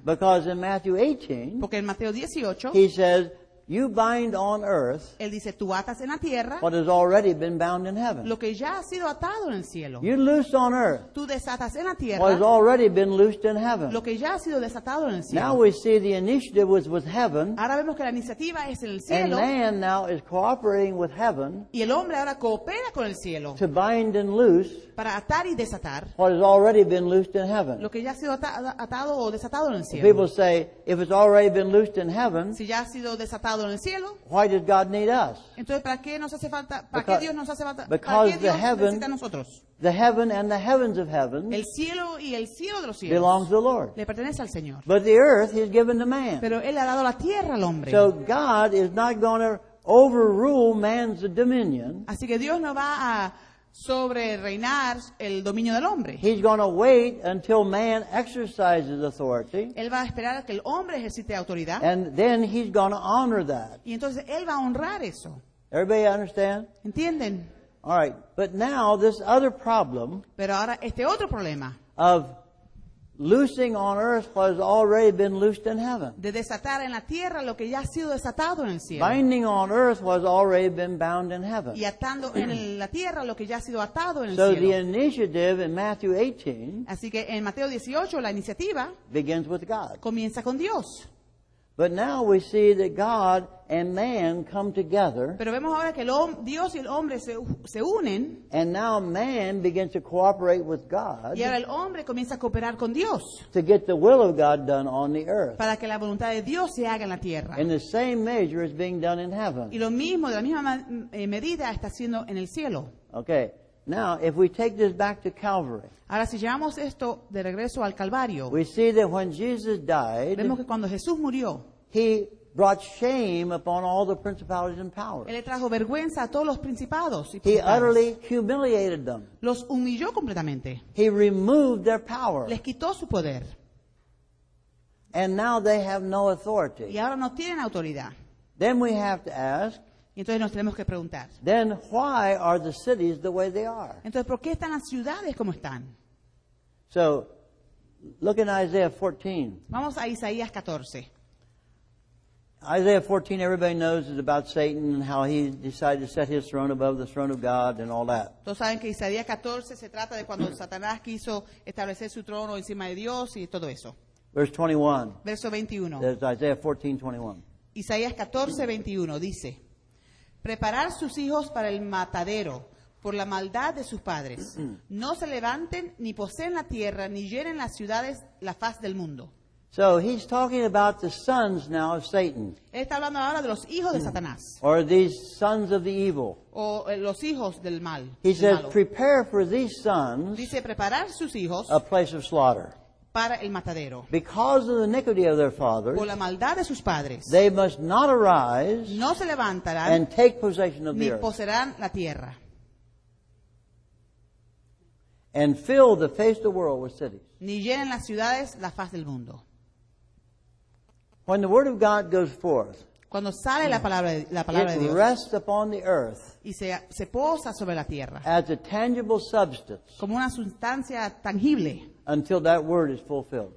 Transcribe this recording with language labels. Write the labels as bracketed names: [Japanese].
[English] Because in Matthew 18, [Spanish] porque en Mateo 18, [English] he says, You bind on earth [Spanish] Él dice, tú atas en la tierra, [English] what has already been bound in heaven. [Spanish] Lo que ya ha sido atado en el cielo. [English] You loose on earth [Spanish] tú desatas en la tierra, [English] what has already been loosed in heaven. [Spanish] Lo que ya ha sido desatado en el cielo. [English] Now we see the initiative was with heaven [Spanish] ahora vemos que la iniciativa es en el cielo, [English] and man now is cooperating with heaven [Spanish] y el hombre ahora coopera con el cielo, [English] to bind and loose [Spanish] para atar y desatar, [English] what has already been loosed in heaven. [Spanish] Lo que ya ha sido atado o desatado en el cielo. [English] People say, if it's already been loosed in heaven, [Spanish] si ya ha sido desatado en el cielo. [English] Why did God need us? [Spanish] Entonces, ¿para qué nos hace falta? ¿Para qué Dios nos hace falta? [English] Because [Spanish] ¿para qué Dios [English] the heaven, [Spanish] necesita a nosotros? [English] The heaven and the heavens of heaven, [Spanish] el cielo y el cielo de los cielos, [English] belongs to the Lord. [Spanish] Le pertenece al Señor. [English] But the earth he's given to man. [Spanish] Pero él ha dado la tierra al hombre. [English] So God is not going to overrule man's dominion. [Spanish] Así que Dios no va a sobre reinar el dominio del hombre. [English] He's going to wait until man exercises authority. [Spanish] Él va a esperar a que el hombre ejercite autoridad. [English] And then he's going to honor that. [Spanish] Y entonces él va a honrar eso. [English] Everybody understand? [Spanish] ¿Entienden? [English] All right. But now this other problem. [Spanish] Pero ahora este otro problema. [English] Of loosing on earth what has already been loosed in heaven. [Spanish] De desatar en la tierra lo que ya ha sido desatado en el cielo. [English] Binding on earth what has already been bound in heaven. [Spanish] Y atando en la tierra lo que ya ha sido atado en el [English] so [Spanish] cielo. [English] So the initiative in Matthew 18, [Spanish] así que en Mateo 18 la iniciativa [English] begins with God. [Spanish] Comienza con Dios. [English] But now we see that God and man come together. [Spanish] Pero vemos ahora que Dios y el hombre se unen. [English] And now man begins to cooperate with God. [Spanish] Y ahora el hombre comienza a cooperar con Dios. [English] To get the will of God done on the earth. [Spanish] Para que la voluntad de Dios se haga en la tierra. [English] In the same measure is being done in heaven. [Spanish] Y lo mismo, de la misma medida, está siendo en el cielo. [English] Okay. Now, if we take this back to Calvary, [Spanish] ahora, si llevamos esto de regreso al Calvario, [English] we see that when Jesus died, [Spanish] vemos que cuando Jesús murió, [English] he brought shame upon all the principalities and powers. [Spanish] Él le trajo vergüenza a todos los principados y [English] principales. He utterly humiliated them. [Spanish] Los humilló completamente. [English] He removed their power. [Spanish] Les quitó su poder. [English] And now they have no authority. [Spanish] Y ahora no tienen autoridad. [English] Then we have to ask, [Spanish] y entonces nos tenemos que preguntar. [English] Then why are the cities the way they are? [Spanish] Entonces, ¿por qué están las ciudades como están? [English] So, look in Isaiah 14. [Spanish] Vamos a Isaías 14. [English] Isaiah 14, everybody knows, is about Satan and how he decided to set his throne above the throne of God and all that. [Spanish] Todos saben que Isaías 14 se trata de cuando Satanás quiso establecer su trono encima de Dios y todo eso. [English] Verse 21. [Spanish] Verso 21. [English] There's Isaiah 14, 21. [Spanish] Isaías 14, 21 dice, preparar sus hijos para el matadero por la maldad de sus padres. No se levanten ni poseen la tierra ni llenen las ciudades la faz del mundo. [English] So he's talking about the sons now of Satan. [Spanish] Está hablando ahora de los hijos de Satanás. [English] Or these sons of the evil. [Spanish] O los hijos del mal. [English] He says, prepare for these sons. [Spanish] Dice preparar sus hijos. [English] A place of slaughter. [Spanish] Para el matadero. [English] Because of the iniquity of their fathers. [Spanish] Por la maldad de sus padres. [English] They must not arise. [Spanish] No se levantarán. [English] And take possession of the earth. [Spanish] Ni poseerán la tierra. [English] And fill the face of the world with cities. [Spanish] Ni llenen las ciudades la faz del mundo. [English] When the word of God goes forth, [Spanish] cuando sale la palabra [English] it [Spanish] de Dios, [English] rests upon the earth [Spanish] y se posa sobre la tierra, [English] as a tangible substance, [Spanish] como una sustancia tangible, [English] until that word is fulfilled,